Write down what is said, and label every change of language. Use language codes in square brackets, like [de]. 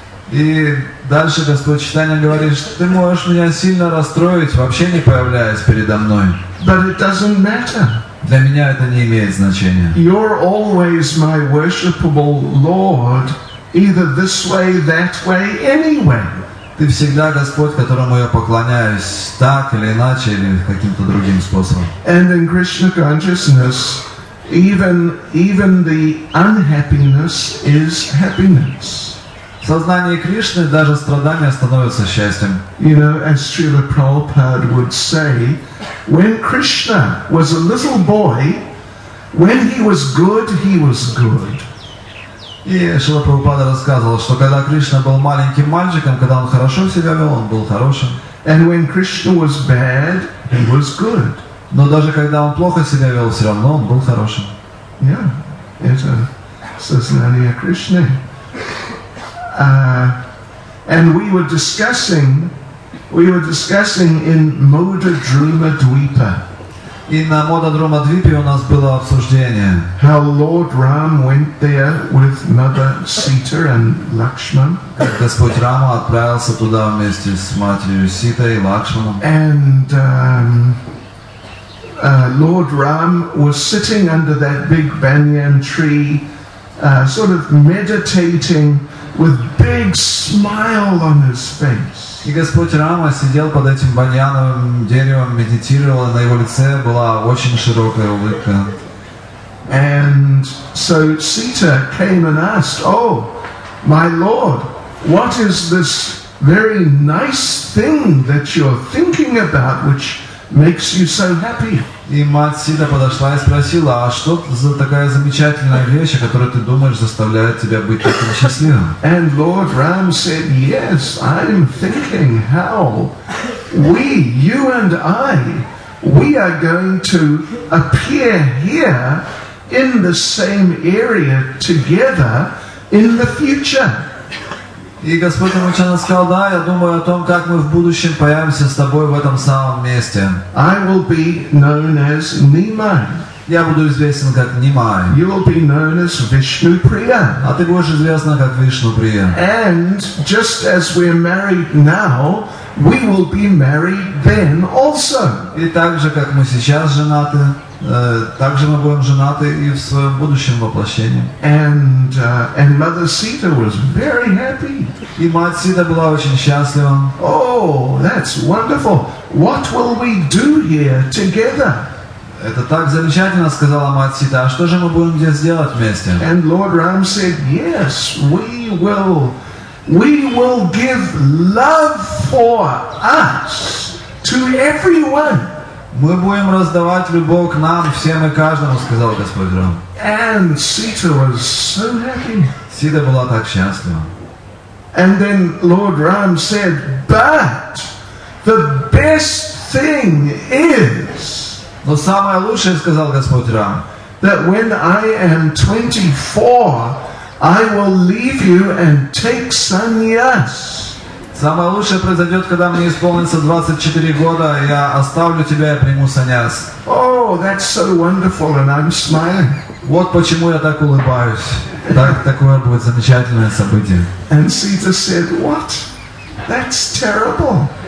[ru] И дальше Господь Чайтанья говорит, что ты можешь меня сильно расстроить, вообще не появляясь передо мной. [en] But it doesn't matter. [ru] Для меня это не имеет значения. [en] You're always my worshipable Lord, either this way, that way, anyway. [ru] Ты всегда Господь, которому я поклоняюсь, так или иначе, или каким-то другим способом. [en] And in Krishna consciousness, even the unhappiness is happiness. [ru] сознании Кришны даже страдания становятся счастьем. [en] You know, as Srila Prabhupada would say, when Krishna was a little boy, when he was good, he was good. [ru] И Шрила Прабхупада рассказывал, что когда Кришна был маленьким мальчиком, когда он хорошо себя вел, он был хорошим. [en] And when Krishna was bad, he was good. [ru] Но даже когда он плохо себя вел, все равно он был хорошим. Yeah, это сознание Кришны. [en] And we were discussing in Moda Druma Dvipa. [ru] И на Мода Друма Двипе у нас было обсуждение. [en] How Lord Ram went there with Mother Sita and Lakshman. [ru] Господь Рама отправился туда вместе с матерью Ситой и Лакшманом. [en] And Lord Ram was sitting under that big banyan tree, sort of meditating with big smile on his face. [ru] И Господь Рама сидел под этим баньяновым деревом, медитировал, и на его лице была очень широкая улыбка. [en] And so Sita came and asked, "Oh, my lord, what is this very nice thing that you're thinking about, which makes you so happy?" [ru] И мать Сита подошла и спросила, а что за такая замечательная вещь, о которой ты думаешь, заставляет тебя быть таким счастливым? [en] And Lord Ram said, yes, I'm thinking how we, you and I, we are going to appear here in the same area together in the future. [ru] И Господь Рамачана сказал, да, я думаю о том, как мы в будущем появимся с тобой в этом самом месте. [en] I will be known as Nimai. [ru] Я буду известен как Нимай. [en] You will be known as Vishnu Priya. [ru] А ты будешь известен как Вишну Прия. [en] And just as we are married now, we will be married then also. [ru] И так же, как мы сейчас женаты, так же мы будем женаты и в своем будущем воплощении. [en] And Mother Sita was very happy. [ru] И мать Сита была очень счастлива. [en] Oh, that's wonderful. What will we do here together? [ru] Это так замечательно, сказала мать Сита. А что же мы будем здесь делать вместе? [en] And Lord Ram said, yes, we will give love for us to everyone. [ru] Мы будем раздавать любовь нам, всем и каждому, сказал Господь Рам. [en] And Sita was so happy. [ru] Сита была так счастлива. [en] And then Lord Ram said, but the best thing is, [ru] но самое лучшее, сказал Господь Рам, [en] that when I am 24, I will leave you and take sannyas. [ru] Самое лучшее произойдет, когда мне исполнится 24 года, я оставлю тебя и приму саньяс. [en] Oh, that's so wonderful, and I'm smiling. [ru] Вот почему я так улыбаюсь. Такое будет замечательное событие. [en] And Sita said, what? That's terrible.